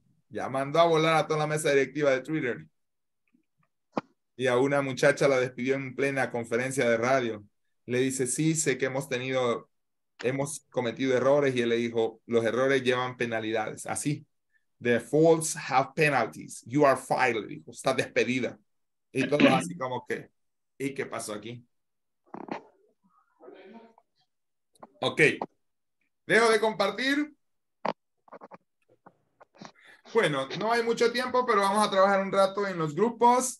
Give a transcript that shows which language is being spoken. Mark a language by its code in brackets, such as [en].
[es] Ya mandó a volar a toda la mesa directiva de Twitter. Y a una muchacha la despidió en plena conferencia de radio. Le dice, sí, sé que hemos cometido errores. Y él le dijo, los errores llevan penalidades. Así. [en] The faults have penalties. You are fired. [es] Dijo, está despedida. Y todo así como que, ¿y qué pasó aquí? Ok. Dejo de compartir. Bueno, no hay mucho tiempo, pero vamos a trabajar un rato en los grupos.